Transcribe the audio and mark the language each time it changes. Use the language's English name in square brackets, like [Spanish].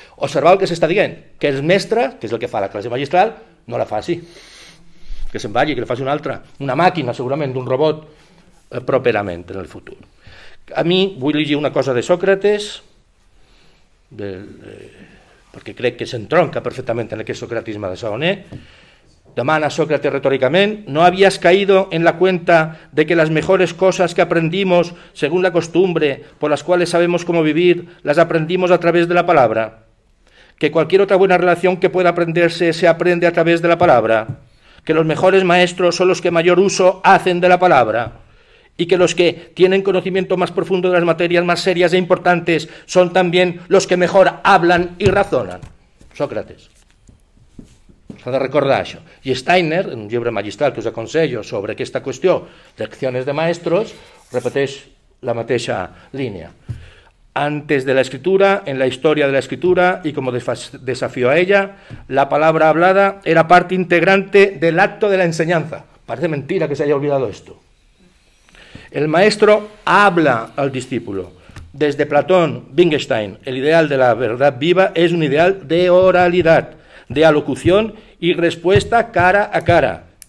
[Catalan] Observeu el que s'està dient, que el mestre, que és el que fa la classe magistral, no la fa així. Que se'n vagi, que la faci una altra, una màquina segurament, d'un robot, properament en el futur. A mi vull llegir una cosa de Sòcrates, perquè crec que s'entronca perfectament en aquest socratisme de Saoné. Demana Sócrates retòricament: [Spanish] ¿no habías caído en la cuenta de que las mejores cosas que aprendimos según la costumbre por las cuales sabemos cómo vivir, las aprendimos a través de la palabra? ¿Que cualquier otra buena relación que pueda aprenderse se aprende a través de la palabra? ¿Que los mejores maestros son los que mayor uso hacen de la palabra? ¿Y que los que tienen conocimiento más profundo de las materias más serias e importantes son también los que mejor hablan y razonan? [Catalan] Sócrates. S'ha de recordar això. I Steiner, en un llibre magistral que us aconsello sobre aquesta qüestió, Lecciones de maestros, repeteix la mateixa línia. [Spanish] Antes de la escritura, en la historia de la escritura y como desafío a ella, la palabra hablada era parte integrante del acto de la enseñanza. Parece mentira que se haya olvidado esto. El maestro habla al discípulo. Desde Platón, Wittgenstein, el ideal de la verdad viva es un ideal de oralidad, de alocución y respuesta cara a cara.